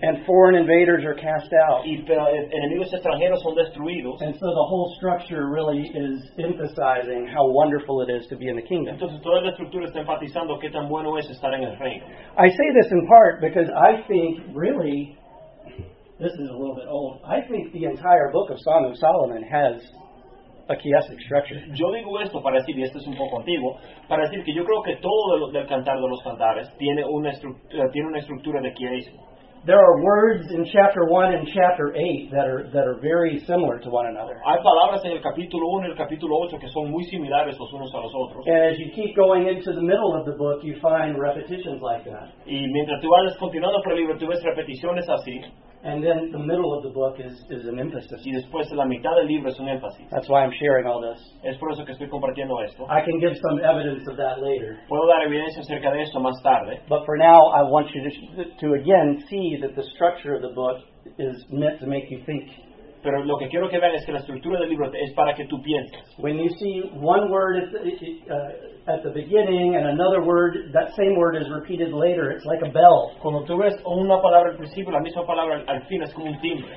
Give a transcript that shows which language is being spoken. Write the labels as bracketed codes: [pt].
[en] And foreign invaders are cast out. [es] Y enemigos extranjeros son destruidos. [en] And so the whole structure really is emphasizing how wonderful it is to be in the kingdom. [es] Entonces toda la estructura está enfatizando qué tan bueno es estar en el reino. [en] I say this in part because I think, really, this is a little bit old. I think the entire book of Song of Solomon has a chiastic structure. [es] Yo digo esto para decir, y esto es un poco antiguo, para decir que yo creo que todo del Cantar de los Cantares tiene una estructura de chiasmo. [en] There are words in chapter 1 and chapter 8 that are very similar to one another. [es] Hay palabras en el capítulo 1 y el capítulo 8 que son muy similares los unos a los otros. [en] And as you keep going into the middle of the book, you find repetitions like that. [es] Y mientras tú vas continuando por el libro, tú ves repeticiones así. [en] And then the middle of the book is an emphasis. [es] Y después de la mitad del libro es un énfasis. [en] That's why I'm sharing all this. [es] Es por eso que estoy compartiendo esto. [en] I can give some evidence of that later. [es] Puedo dar evidencia acerca de esto más tarde. [en] But for now, I want you to again see that the structure of the book is meant to make you think. [es] Pero lo que quiero que vean es que la estructura del libro es para que tú pienses. [en] When you see one word at the beginning and another word, that same word is repeated later, it's like a bell. [es] Cuando tú ves una palabra al principio, la misma palabra al fin, es como un timbre.